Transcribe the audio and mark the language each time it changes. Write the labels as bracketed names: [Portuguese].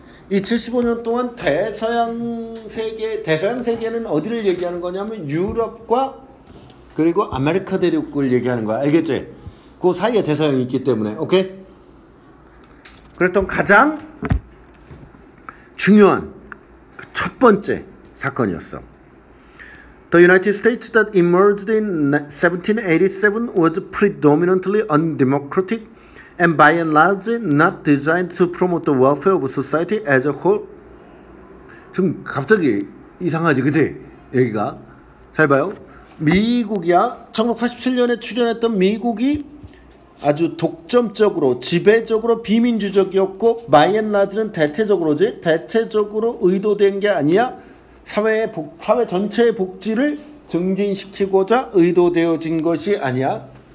[Korean] 이 75년 동안 대서양 세계는 어디를 얘기하는 거냐면 유럽과 그리고 아메리카 대륙을 얘기하는 거야. 알겠지? 그 사이에 대서양이 있기 때문에. 오케이? 그랬던 가장 중요한 그 첫 번째 사건이었어. [English] The United States that emerged in 1787 was predominantly undemocratic and by and large not designed to promote the welfare of society as a whole. [Korean] 좀 갑자기 이상하지, 그치? 여기가. 잘 봐요. 미국이야. 1987년에 출연했던 미국이 아주 독점적으로, 지배적으로 비민주적이었고 [English] by and large [Korean] 는 대체적으로지? 대체적으로 의도된 게 아니야? 사회 전체의 복지를 증진시키고자 의도되어진 것이 아니야.